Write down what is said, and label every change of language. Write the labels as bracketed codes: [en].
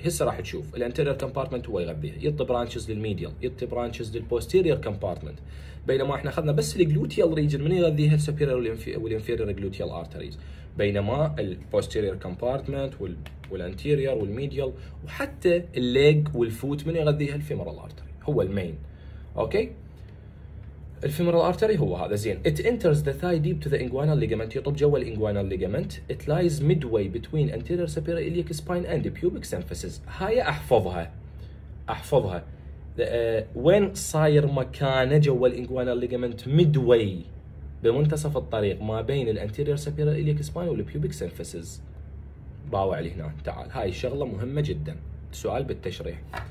[ar] هسه راح تشوف الانتيرير كومبارتمنت هو يغذيها، يطي برانشز للميديال، يطي برانشز للبوستيرير كومبارتمنت، بينما احنا اخذنا بس الجلوتيال ريجن من يغذيها السوبيرير والانفيرير جلوتيال ارتريز، بينما البوستيرير كومبارتمنت والانتيرير والميديال وحتى الليج والفوت من يغذيها الفيمورال ارتري هو المين. اوكي، الفيمورال ارتري هو هذا. [en] زين، it enters the thigh deep to the inguinal ligament، [ar] يطب جوا الانجوينال ليجمنت. [en] It lies midway between anterior superior iliac spine and pubic symphysis. [ar] هاي احفظها احفظها، وين صاير مكانه جوا الانجوينال ليجمنت؟ midway، بمنتصف الطريق ما بين الانتيرير superior iliac spine والبيوبيك symphysis. باوع لي هنا، تعال، هاي شغله مهمه جدا، سؤال بالتشريح.